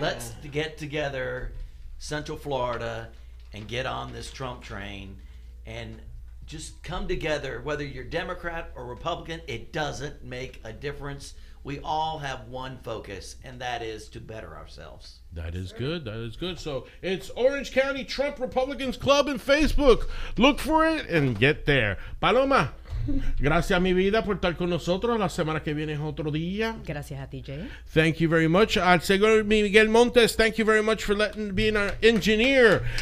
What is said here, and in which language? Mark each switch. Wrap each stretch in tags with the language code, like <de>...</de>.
<en>Let's get together, Central Florida, and get on this Trump train, and just come together. Whether you're Democrat or Republican, it doesn't make a difference. We all have one focus, and that is to better ourselves. That is good. That is good. So it's Orange County Trump Republicans Club and Facebook. Look for it and get there.</en> <es>Paloma, gracias, mi vida, por estar con nosotros. La semana que viene es otro día. Gracias a ti, Jay.</es> <en>Thank you very much.</en> <es>Al señor</es> <en>Miguel Montes, thank you very much for letting being our engineer.</en>